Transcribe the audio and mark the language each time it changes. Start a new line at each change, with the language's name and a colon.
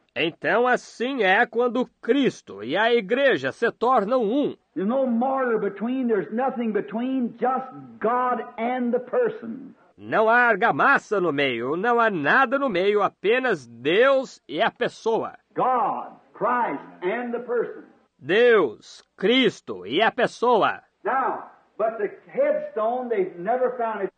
Portuguese: Então assim é quando Cristo e a igreja se tornam um.
English: There's no mortar between, there's nothing between, just God and the person.
Portuguese: Não há argamassa no meio, não há nada no meio, apenas Deus e a pessoa.
English: God, Christ and the person.
Portuguese: Deus, Cristo e a pessoa.
English: Now, but the headstone, they've never found it.